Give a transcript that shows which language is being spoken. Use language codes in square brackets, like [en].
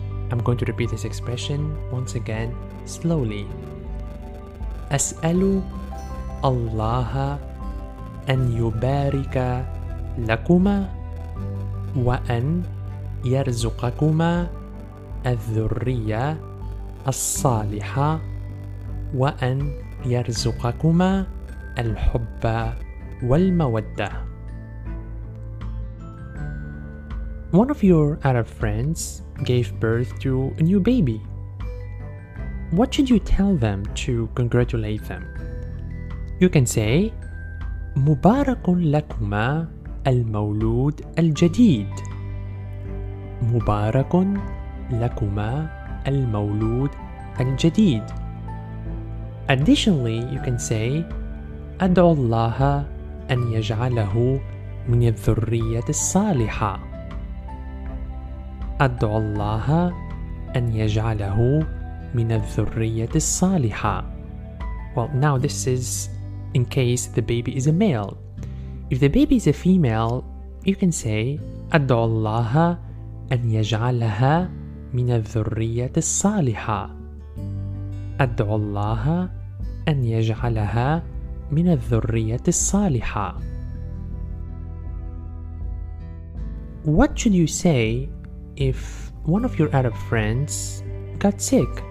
[en] I'm going to repeat this expression once again slowly. [ar] أسأل الله أن يبارك لكما وأن يرزقكما الذرية الصالحة وأن يرزقكما الحب والمودة. [en] One of your Arab friends gave birth to a new baby. What should you tell them to congratulate them? You can say [ar] مبارك لكما المولود الجديد. مبارك لكما المولود الجديد. [en] Additionally, you can say [ar] أدعو الله أن يجعله من الذرية الصالحة. أدعو الله أن يجعله من الذرية الصالحة. [en] Well, now this is in case the baby is a male. If the baby is a female, you can say [ar] أدعالله أن يجعلها من الذرية الصالحة. أدعالله أن يجعلها من الذرية الصالحة. [en] What should you say if one of your Arab friends got sick?